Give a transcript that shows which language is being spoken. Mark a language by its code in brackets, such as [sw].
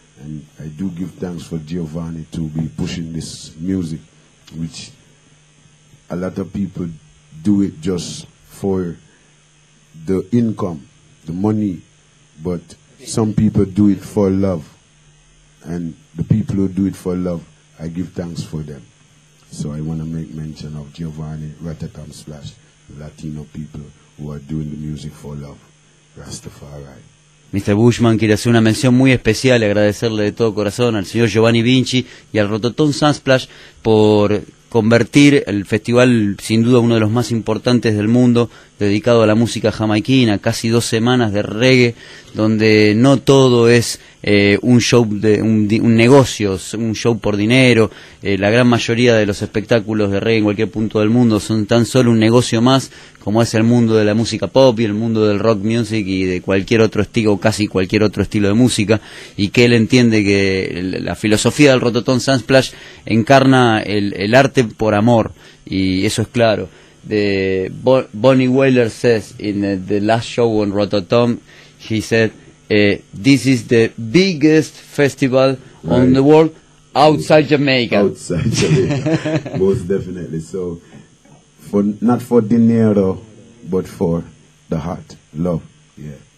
[en] And I do give thanks for Giovanni to be pushing this music, which a lot of people do it just for the income, the money, but some people do it for love. And the people who do it for love, I give thanks for them. So I want to make mention of Giovanni, Ratatam / Latino people who are doing the music for love. Rastafari. Mr. [es] Bushman quiere hacer una mención muy especial y agradecerle de todo corazón al señor Giovanni Vinci y al Rototón Sunsplash por convertir el festival, sin duda uno de los más importantes del mundo, dedicado a la música jamaiquina, casi 2 semanas de reggae, donde no todo es un show por dinero. La gran mayoría de los espectáculos de reggae en cualquier punto del mundo son tan solo un negocio más, como es el mundo de la música pop y el mundo del rock music y de cualquier otro estilo, o casi cualquier otro estilo de música, y que él entiende que la filosofía del Rototón Sunsplash encarna el arte por amor, y eso es claro. [en] Bonnie Wheeler says in the last show on Rototom, he said, this is the biggest festival on the world outside Jamaica. Outside Jamaica, most definitely. So, not for dinero, but for the heart, love. Yeah.